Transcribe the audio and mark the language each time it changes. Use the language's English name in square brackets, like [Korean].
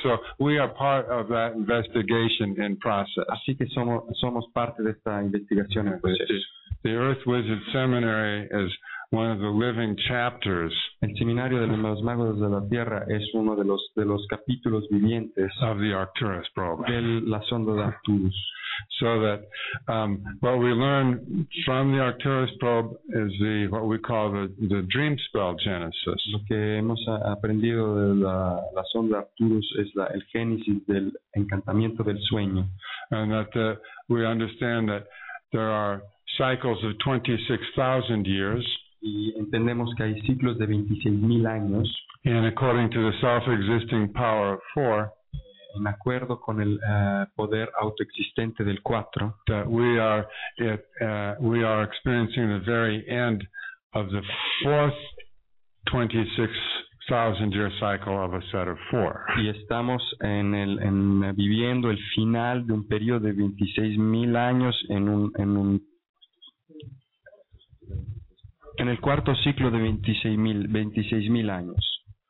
[English] So we are part of that investigation in process. [Spanish] Así que somos parte de esta investigación en proceso. [English] The Earth Wizard Seminary is one of the living chapters. [Spanish] El seminario de los magos de la Tierra es uno de los capítulos vivientes [English] of the Arcturus probe. [Spanish] De la sonda de Arcturus. [English] So that what we learn from the Arcturus probe is what we call the dream spell genesis. [Spanish] Lo que hemos aprendido de la sonda Arcturus es el génesis del encantamiento del sueño. [English] And that we understand that there are cycles of 26,000 years. [Spanish] Y entendemos que hay ciclos de 26,000 años. [English] And according to the self-existing power of four. [Spanish] En acuerdo con el poder autoexistente del 4, [English] we are experiencing the very end of the fourth 26,000 year cycle of a set of four. [Spanish] Y estamos viviendo el final de un periodo de 26,000 años en el cuarto ciclo de 26,000 años.